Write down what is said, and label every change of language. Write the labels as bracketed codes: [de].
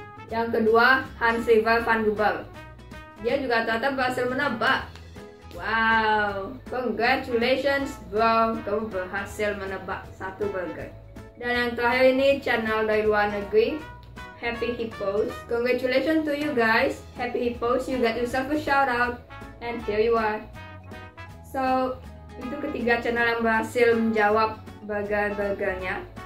[id] Yang kedua, Hans River Van Dubal. Dia juga ternyata berhasil menebak. [en] Wow, congratulations bro, [id] kamu berhasil menebak satu burger. Dan yang terakhir ini channel dari luar negeri, Happy Hippos. [en] Congratulations to you guys, Happy Hippos, you got yourself a shout out. And here you are. [id] So, itu ketiga channel yang berhasil menjawab burger-burgernya.